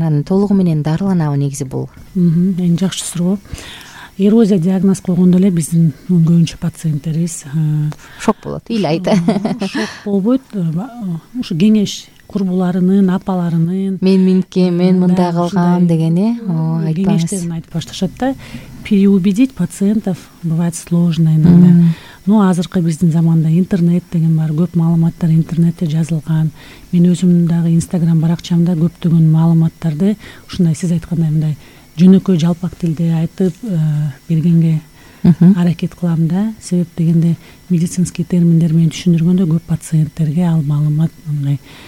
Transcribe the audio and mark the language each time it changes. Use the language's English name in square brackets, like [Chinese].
[Kyrgyz] Анан толугу менен дарыланабы негизи бул? Эң жакшы суроо. Эрозия диагноз койгондо эле биздин көбүнчө пациенттерибиз шок болот, ыйлайт. Шок болбойт. Ушу кеңеш курбуларынын, апаларынын мен мында калгам деген э айтпайбыз. Кеңештерин айтып башташат да. [Russian] Переубедить пациентов бывает сложно иногда. [Kyrgyz] Но азыркы биздин заманда интернет деген бар, көп маалыматтар интернетте жазылган. Мен өзүм дагы Instagram баракчамда көптөгөн маалыматтарды ушундай сиз айткандай мындай жөнөкөй жалпак тилде айтып бергенге аракет кылам да. Себеп дегенде медицинский терминдер менен түшүндүргөндө көп пациенттерге ал маалымат мындай